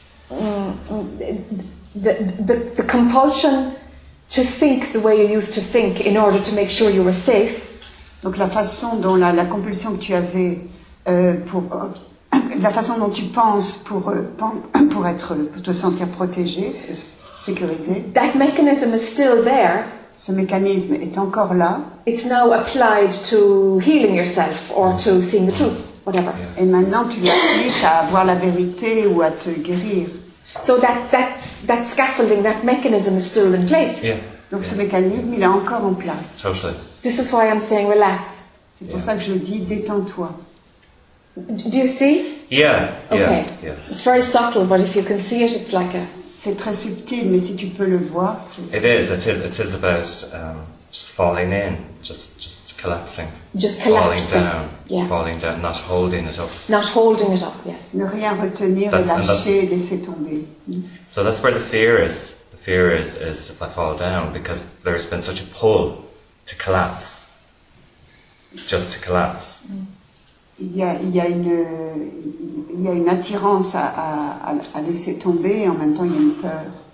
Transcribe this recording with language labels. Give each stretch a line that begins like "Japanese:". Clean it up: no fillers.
English: The compulsion to think the way you used to think in order to make sure you were safe.
French: Donc la façon dont la compulsion que tu avais la façon dont tu penses pour te sentir protégé, sécurisé.
English: That mechanism is still there.
French: Ce mécanisme est encore là.
English: It's now applied to healing yourself or to seeing the truth, whatever. Yeah.
French: Et maintenant tu l'appliques à voir la vérité ou à te guérir.
English: So that scaffolding, that mechanism is still in place. Yeah.
French: Donc
English: yeah.
French: Ce mécanisme, il est encore en place.
English: Totally. This is why I'm saying relax.
French: C'est pour ça que je dis détends-toi.
English: Do you see? Yeah. Okay. Yeah. Yeah. It's very subtle, but if you can see it, it's like a.
French: C'est très subtil, mais si tu peux le voir, c'est.
English: It is. It is about just falling in, just collapsing. Just collapsing. Falling down. Yeah. Falling down, not holding it up. Not holding it up. Yes.
French: Ne rien retenir, lâcher, laisser tomber.
English: So that's where the fear is. The fear is if I fall down, because there's been such a pull to collapse. Just to collapse. Mm.
French: Il y a une attirance à laisser tomber et en même temps il y a une peur.